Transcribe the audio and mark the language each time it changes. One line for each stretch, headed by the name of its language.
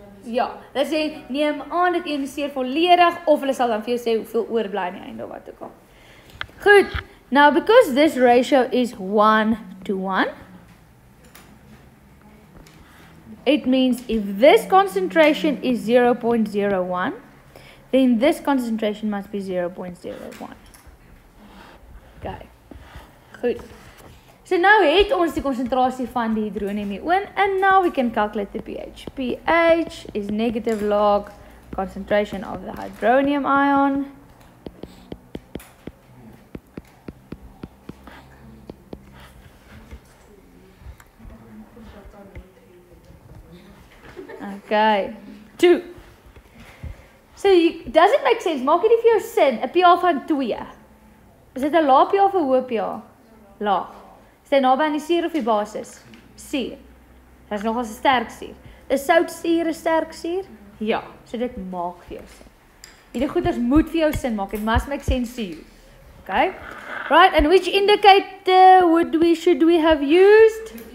Afrikaans: Ja, hulle sê, neem aan dat ioniseer volledig, of hulle sal dan vir jou sê hoeveel oorblij in die einde wat ook al.
English: Goed, now because this ratio is 1 to 1, it means if this concentration is 0.01, then this concentration must be 0.01.
Afrikaans: Okay, goed. So nou het ons die konsentrasie van die hydronium-ion,
English: and now we can calculate the pH. pH is negative log concentration of the hydronium ion. Okay, 2. So you, does it make sense?
Afrikaans: Maak dit vir jou sin, 'n pH van 2. Is dit 'n lae pH of 'n hoë pH? Laag. Is dit naby aan die suur of die basis? Suur. Dit is nogal 'n sterk suur. Is soutsuur 'n sterk suur? Ja, so dit maak vir jou sin. Hierdie goeders moet vir jou sin maak,
English: it must make sense to you.
Afrikaans: Okay?
English: Right, and which indicator would we should we have used?